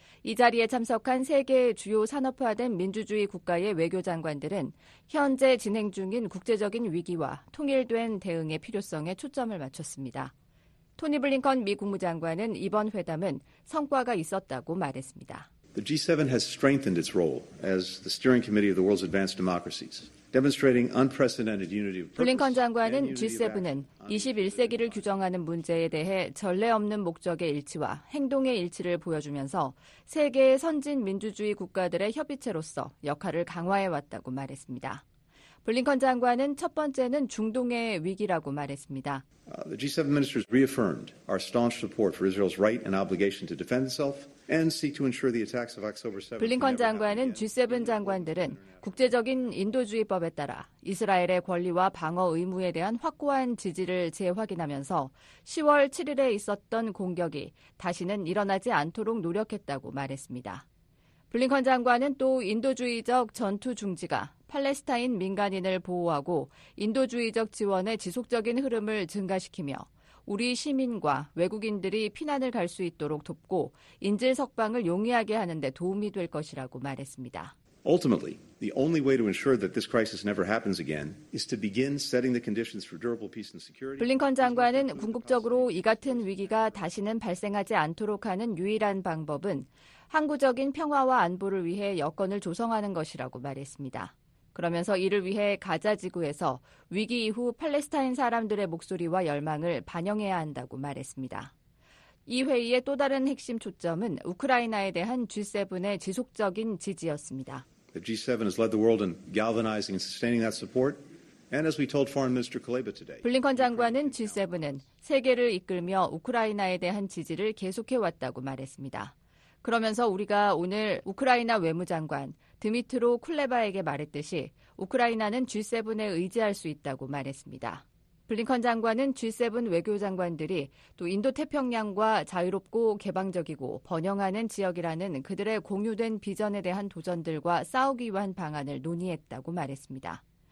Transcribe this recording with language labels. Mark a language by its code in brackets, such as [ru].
[ko] 이 자리에 참석한 세계의 주요 산업화된 민주주의 국가의 외교장관들은 현재 진행 중인 국제적인 위기와 통일된 대응의 필요성에 초점을 맞췄습니다. 토니 블링컨 미 국무장관은 이번 회담은 성과가 있었다고 말했습니다. [en] The G7 has strengthened its role as the steering committee of the world's advanced democracies. [ko] 블링컨 장관은 G7은 21세기를 규정하는 문제에 대해 전례 없는 목적의 일치와 행동의 일치를 보여주면서 세계의 선진 민주주의 국가들의 협의체로서 역할을 강화해왔다고 말했습니다. 블링컨 장관은 첫 번째는 중동의 위기라고 말했습니다. [en] The G7 ministers reaffirmed our staunch support for Israel's right and obligation to defend itself and seek to ensure the attacks of October 7th. [ko] 블링컨 장관은 G7 장관들은 국제적인 인도주의법에 따라 이스라엘의 권리와 방어 의무에 대한 확고한 지지를 재확인하면서 10월 7일에 있었던 공격이 다시는 일어나지 않도록 노력했다고 말했습니다. 블링컨 장관은 또 인도주의적 전투 중지가 팔레스타인 민간인을 보호하고 인도주의적 지원의 지속적인 흐름을 증가시키며 우리 시민과 외국인들이 피난을 갈 수 있도록 돕고 인질 석방을 용이하게 하는 데 도움이 될 것이라고 말했습니다. [en] Ultimately, the only way to ensure that this crisis never happens again is to begin setting the conditions for durable peace and security. [ko] 블링컨 장관은 궁극적으로 이 같은 위기가 다시는 발생하지 않도록 하는 유일한 방법은 항구적인 평화와 안보를 위해 여건을 조성하는 것이라고 말했습니다. 그러면서 이를 위해 가자 지구에서 위기 이후 팔레스타인 사람들의 목소리와 열망을 반영해야 한다고 말했습니다. 이 회의의 또 다른 핵심 초점은 우크라이나에 대한 G7의 지속적인 지지였습니다. [en] The G7 has led the world in galvanizing and sustaining that support. And as we told Foreign Minister Kaleba today, [ko] 블링컨 장관은 G7은 세계를 이끌며 우크라이나에 대한 지지를 계속해 왔다고 말했습니다. 그러면서 우리가 오늘 우크라이나 외무장관 드미트로 쿨레바에게 말했듯이 우크라이나는 G7에 의지할 수 있다고 말했습니다. 블링컨 장관은 G7 외교장관들이 또 인도태평양과 자유롭고 개방적이고 번영하는 지역이라는 그들의 공유된 비전에 대한 도전들과 싸우기 위한 방안을 논의했다고 말했습니다.